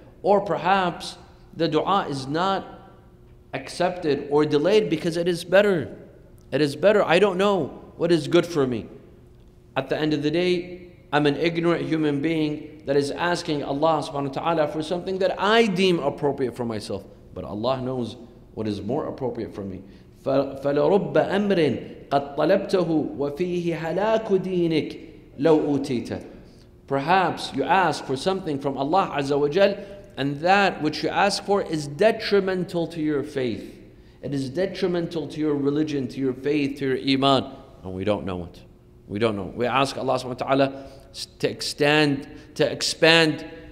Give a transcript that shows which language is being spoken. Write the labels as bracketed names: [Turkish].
[English] Or perhaps the dua is not accepted or delayed because it is better. It is better. I don't know what is good for me. At the end of the day, I'm an ignorant human being that is asking Allah subhanahu wa ta'ala for something that I deem appropriate for myself. But Allah knows what is more appropriate for me. [Arabic] فلرب أمر قد طلبته وفيه هلاك دينك لو أوتيته. [English] Perhaps you ask for something from Allah Azza wa Jal, and that which you ask for is detrimental to your faith. It is detrimental to your religion, to your faith, to your iman. And we don't know it. We don't know. We ask Allah subhanahu wa ta'ala to expand.